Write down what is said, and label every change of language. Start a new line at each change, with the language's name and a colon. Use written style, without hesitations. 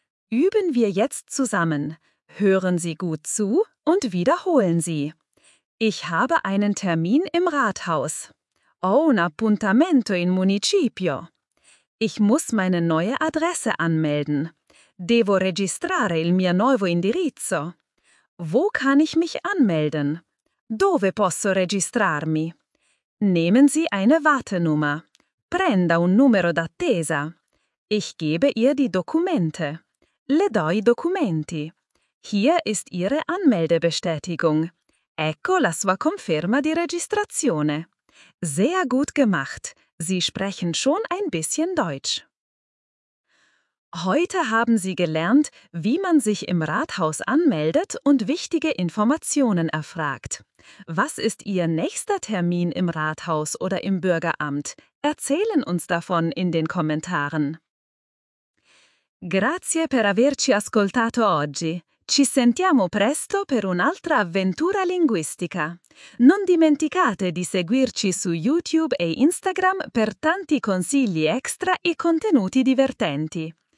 German: Üben wir jetzt zusammen. Hören Sie gut zu und wiederholen Sie. Ich habe einen Termin im Rathaus.
Italian: Ho un appuntamento in municipio.
German: Ich muss meine neue Adresse anmelden.
Italian: Devo registrare il mio nuovo indirizzo.
German: Wo kann ich mich anmelden?
Italian: Dove posso registrarmi?
German: Nehmen Sie eine Wartenummer.
Italian: Prenda un numero d'attesa.
German: Ich gebe ihr die Dokumente.
Italian: Le do i documenti.
German: Hier ist Ihre Anmeldebestätigung.
Italian: Ecco la sua conferma di registrazione.
German: Sehr gut gemacht. Sie sprechen schon ein bisschen Deutsch. Heute haben Sie gelernt, wie man sich im Rathaus anmeldet und wichtige Informationen erfragt. Was ist Ihr nächster Termin im Rathaus oder im Bürgeramt? Erzählen uns davon in den Kommentaren.
Italian: Grazie per averci ascoltato oggi. Ci sentiamo presto per un'altra avventura linguistica. Non dimenticate di seguirci su YouTube e Instagram per tanti consigli extra e contenuti divertenti.